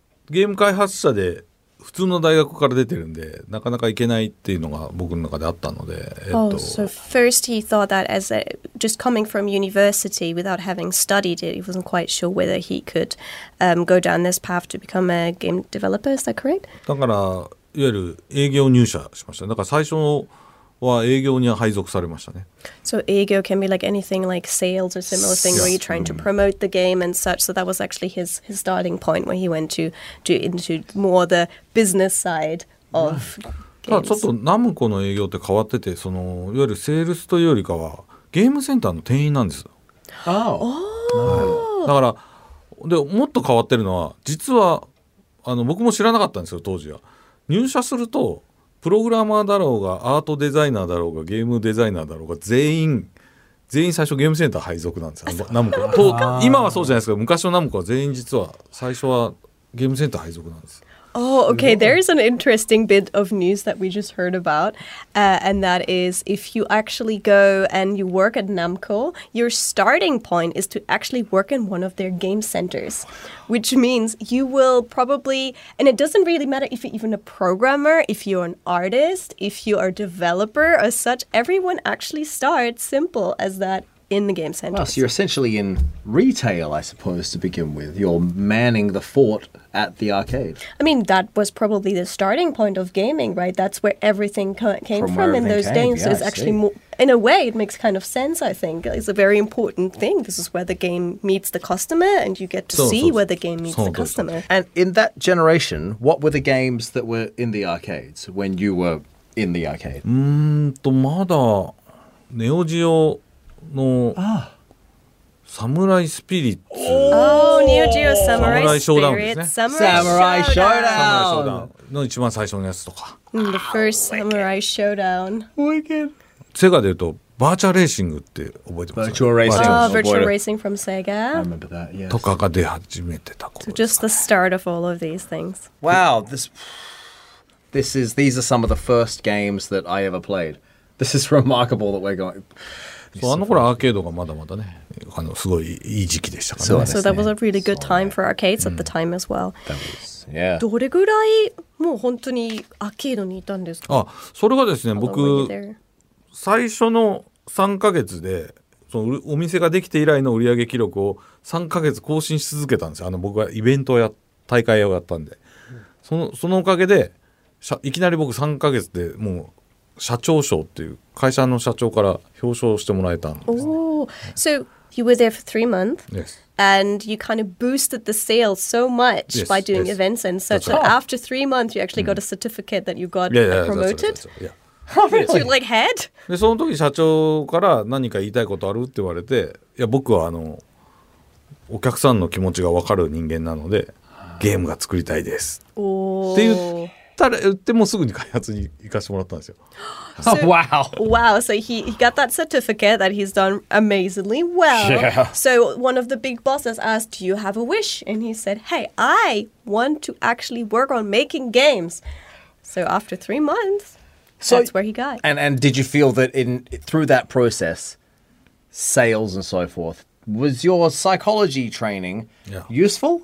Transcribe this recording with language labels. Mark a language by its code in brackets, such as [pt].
[ja] ゲーム開発者で普通の大学から出てるんでなかなか行けないっていうのが僕の中であったので、 [en] So first he thought that as a, just coming from university without having studied it, he wasn't quite sure whether he could go down this path to become a game developer, is that correct? [ja] だからいわゆる営業入社しました。だから最初は営業には配属されましたね。 [en] So 営業 can be like anything like sales or similar thing where you're trying to promote the game and such. So that was actually his starting point where he went to into more the business side of games. [ja] ただちょっとナムコの営業って変わってて、そのいわゆるセールスというよりかはゲームセンターの店員なんです。だからでもっと変わってるのは、実は僕も知らなかったんですよ当時は。入社するとプログラマーだろうがアートデザイナーだろうがゲームデザイナーだろうが全員最初ゲームセンター配属なんですよ。ナムコと今はそうじゃないですか。昔のナムコは全員実は最初はゲームセンター配属なんです。 [en] Oh, okay. There's an interesting bit of news that we just heard about, and that is if you actually go and you work at Namco, your starting point is to actually work in one of their game centers, which means you will probably, and it doesn't really matter if you're even a programmer, if you're an artist, if you are a developer or such, everyone actually starts simple as that. In the game center. Well, so you're essentially in retail, I suppose, to begin with. You're manning the fort at the arcade. I mean, that was probably the starting point of gaming, right? That's where everything came from in those days. Yeah, so it's actually more, in a way, it makes kind of sense, I think. It's a very important thing. This is where the game meets the customer, and you get to see where the game meets the customer. And in that generation, what were the games that were in the arcades when you were in the arcade? [ja] まだ、ネオジオ。のサムライスピリッツ、 [en] New Geo Samurai Showdown、 Samurai Showdown [ja] の一番最初のやつとか、 [en] The First Samurai Showdown、 [ja] セガで言うとバーチャルレーシングって覚えてますか、 [en] Virtual Racing from Sega [ja] とかが出始めてた、 [en] So just the start of all of these things. Wow, these are some of the first games that I ever played. This is remarkable that we're going. [ja] そう、あの頃アーケードがまだまだね、すごいいい時期でしたからね。 [en] So that was a really good time for arcades at the time as well. That was, [ja] どれぐらいもう本当にアーケードにいたんですか？あ、それはですね、僕最初の3ヶ月でそのお店ができて以来の売上記録を3ヶ月更新し続けたんですよ。僕がイベントをや大会をやったんで、そのおかげでいきなり僕3ヶ月でもう社長賞っていう会社の社長から表彰してもらえたんですね。 [en] So you were there for 3 months. Yes. And you kind of boosted the sales so much yes, by doing yes. events and such that after 3 months you actually got a certificate that you got promoted. Yeah. Did you like head? [ja] でその時社長から何か言いたいことあるって言われて、いや僕はお客さんの気持ちが分かる人間なのでゲームが作りたいです。 [en] Oh. [ja] っていう売ってもすぐに開発に行かせてもらったんですよ. [en] So, wow. Wow. So he got that certificate that he's done amazingly well. Yeah. So one of the big bosses asked, do you have a wish? And he said, hey, I want to actually work on making games. So after 3 months, so, that's where he got. And did you feel that in through that process, sales and so forth, was your psychology training useful?